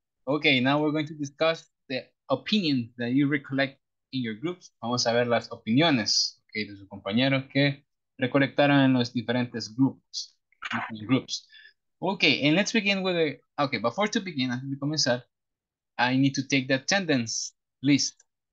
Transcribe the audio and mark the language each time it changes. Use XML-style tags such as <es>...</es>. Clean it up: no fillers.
<en>Okay, now we're going to discuss the opinion that you recollect in your groups.</en> <es>Vamos a ver las opiniones, okay, de sus compañeros que recolectaron en los diferentes groups.</es> <en>Okay, and let's begin with the, okay, before to begin,</en> <es>antes de comenzar,</es> <en>I need to take the attendance list.</en>